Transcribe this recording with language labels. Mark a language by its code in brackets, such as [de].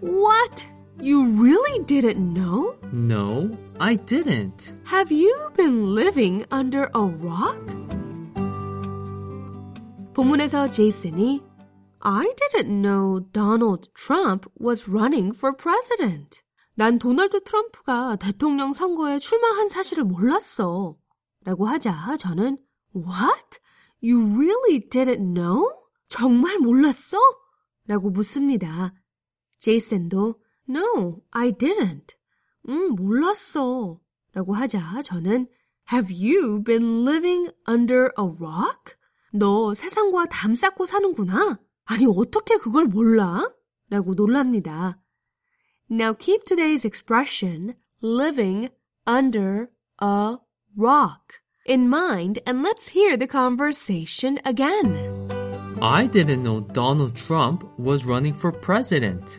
[en] What? You really didn't know? No, I didn't. Have you been living under a rock? [ko] 본문에서 제이슨이 [en] I didn't know Donald Trump was running for president. [ko] 난 도널드 트럼프가 대통령 선거에 출마한 사실을 몰랐어. 라고 하자 저는 [en] What? You really didn't know? [ko] 정말 몰랐어? 라고 묻습니다. 제이슨도 [en] No, I didn't. [ko] 몰랐어. 라고 하자 저는 [en] Have you been living under a rock? [ko] 너 세상과 담 쌓고 사는구나. 아니 어떻게 그걸 몰라? 라고 놀랍니다. [en] Now keep today's expression, living under a rock, in mind and let's hear the conversation again. I didn't know Donald Trump was running for president.